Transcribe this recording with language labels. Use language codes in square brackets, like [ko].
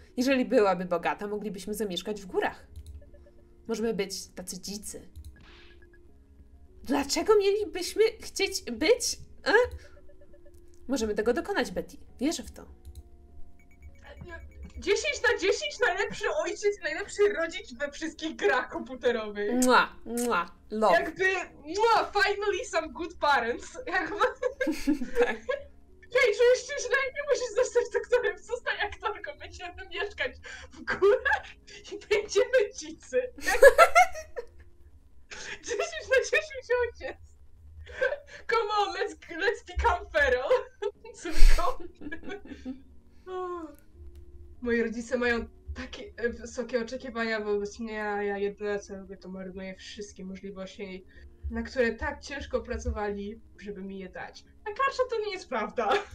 [pl] Jeżeli byłaby bogata, moglibyśmy zamieszkać w górach. Możemy być tacy dzicy. Dlaczego mielibyśmy chcieć być? A? Możemy tego dokonać, Betty. Wierzę w to. 10/10 najlepszy ojciec, najlepszy rodzic we wszystkich grach komputerowych. Mua, mua, love. [en] Jakby, mua, finally some good parents. [pl] Tak. Hej, czujesz się źle, nie musisz zostać doktorem, zostań aktorką, będziemy mieszkać w górach i będziemy dzicy. 10/10 ojciec. [en] Come on, let's become feral. [pl] Córko. Moi rodzice mają takie wysokie oczekiwania wobec mnie, a ja jedyne co robię, to marnuję wszystkie możliwości, na które tak ciężko pracowali, żeby mi je dać. A Karsza, to nie jest prawda.